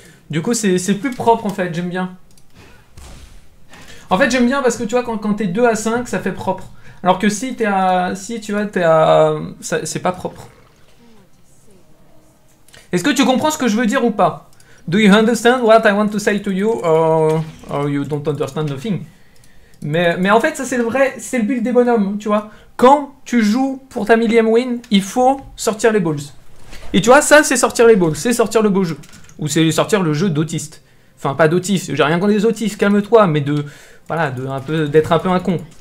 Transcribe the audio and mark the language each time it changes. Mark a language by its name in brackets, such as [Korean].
[French] Du coup, c'est plus propre en fait, j'aime bien. En fait, j'aime bien parce que tu vois, quand t'es 2 à 5, ça fait propre. Alors que si t'es à. Si tu vois, t'es à. Ça, c'est pas propre. Est-ce que tu comprends ce que je veux dire ou pas? [English] Do you understand what I want to say to you? Or you don't understand nothing? [French] Mais en fait, ça c'est le vrai. C'est le build des bonhommes, tu vois. Quand tu joues pour ta millième win, il faut sortir les balls. Et tu vois, ça c'est sortir les balls. C'est sortir le beau jeu. Ou c'est sortir le jeu d'autiste. Enfin, pas d'autiste. J'ai rien contre les autistes, calme-toi. Mais de. Voilà, d'être un peu un con.